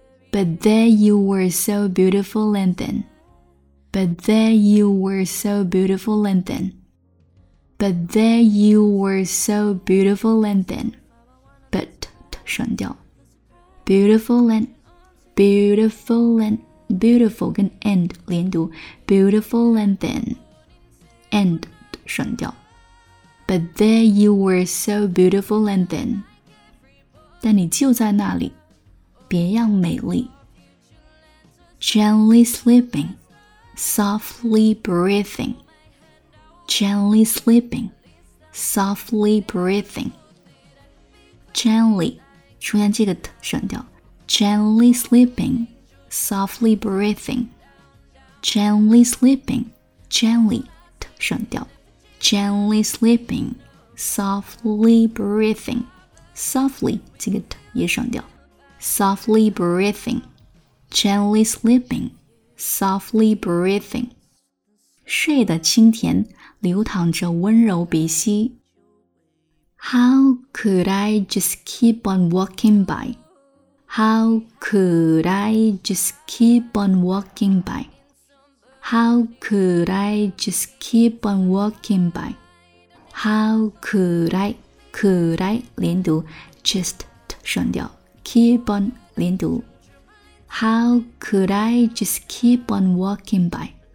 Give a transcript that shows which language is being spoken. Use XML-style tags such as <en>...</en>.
<en>But there you were so beautiful and then But there you were so beautiful and then But there you were so beautiful and then But</en> <zh>省掉</zh> <en>Beautiful and Beautiful and Beautiful</en> <zh>跟</zh> <en>and</en> <zh>连读</zh> <en>Beautiful and then And</en> <zh>省掉</zh> <en>But there you were so beautiful and then.</en> <zh>但你就在那里，别样美丽。</zh> <en>Gently sleeping, softly breathing. Gently sleeping, softly breathing.</en> <zh>Gently, 中间这个 t 省掉。</zh> <en>Gently sleeping, softly breathing. Gently sleeping, gently t</en> <zh>省掉。</zh> <en>Gently sleeping, softly breathing.</en> <zh>Softly, 这个 t 也省掉。</zh> <en>Softly breathing, gently sleeping, softly breathing.</en> <zh>睡得清甜，流淌着温柔鼻息。</zh> <en>How could I just keep on walking by? How could I just keep on walking by? How could I just keep on walking by? How could I</en> <zh>连读</zh> <en>just</en> <zh>省掉</zh> <en>keep on 连读 How could I just keep on walking by?</en>